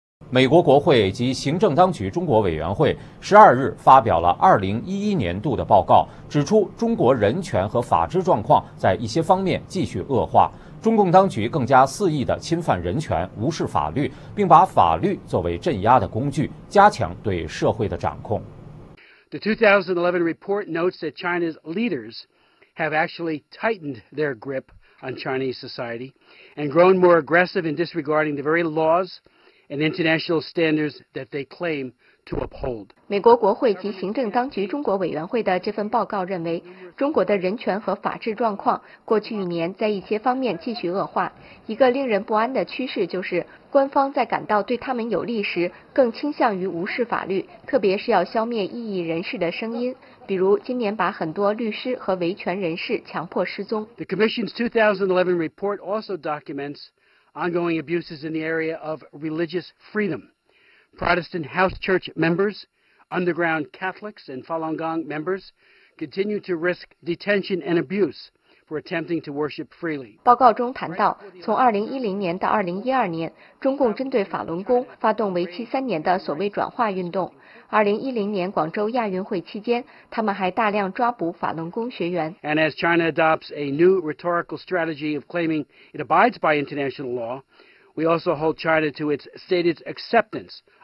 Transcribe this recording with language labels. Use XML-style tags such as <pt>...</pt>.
<zh>美国国会及行政当局中国委员会12日发表了2011年度的报告，指出中国人权和法治状况在一些方面继续恶化，中共当局更加肆意地侵犯人权，无视法律，并把法律作为镇压的工具，加强对社会的掌控。</zh> <en>The 2011 report notes that China's leaders. Have actually tightened their grip on Chinese society and grown more aggressive in disregarding the very laws and international standards that they claim to uphold.</en> <zh>美国国会及行政当局中国委员会的这份报告认为，中国的人权和法治状况过去一年在一些方面继续恶化。一个令人不安的趋势就是，官方在感到对他们有利时，更倾向于无视法律，特别是要消灭异议人士的声音。比如今年把很多律师和维权人士强迫失踪。</zh> <en>The Commission's 2011 report also documents ongoing abuses in the area of religious freedom. Protestant house church members, underground Catholics and Falun Gong members continue to risk detention and abuse.</en> <zh>报告中谈到，从2010年到2012年，中共针对法轮功发动为期3年的所谓转化运动。 2010年广州亚运会期间，他们还大量抓捕法轮功学员。</zh> <en>And as China adopts a new rhetorical strategy of claiming it abides by international law, we also hold China to its stated acceptance.</en>